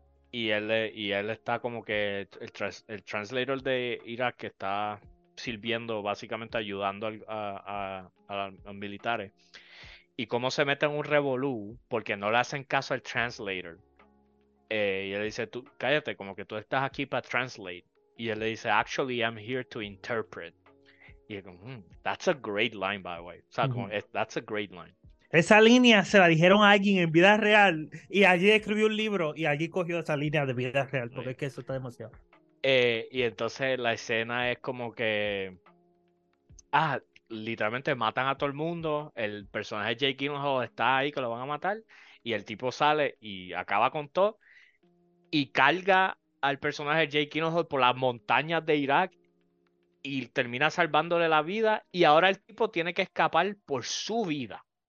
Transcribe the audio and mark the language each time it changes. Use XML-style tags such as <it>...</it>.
<es>Y él está como que el translator de Irak que está sirviendo, básicamente ayudando a los militares. Y cómo se mete en un revolú porque no le hacen caso al translator. Y él dice, tú cállate, como que tú estás aquí para translate. Y él le dice,</es> <en>actually, I'm here to interpret.</en> <es>Y él dice,</es> <en>that's a great line, by the way.</en> <es>O sea, como,</es> <en>that's a great line.</en> <es>Esa línea se la dijeron a alguien en vida real y allí escribió un libro y allí cogió esa línea de vida real porque es que eso está demasiado. Y entonces la escena es como que, literalmente matan a todo el mundo, el personaje de Jake Gyllenhaal está ahí que lo van a matar, y el tipo sale y acaba con todo, y carga al personaje de Jake Gyllenhaal por las montañas de Irak, y termina salvándole la vida, y ahora el tipo tiene que escapar por su vida.</es>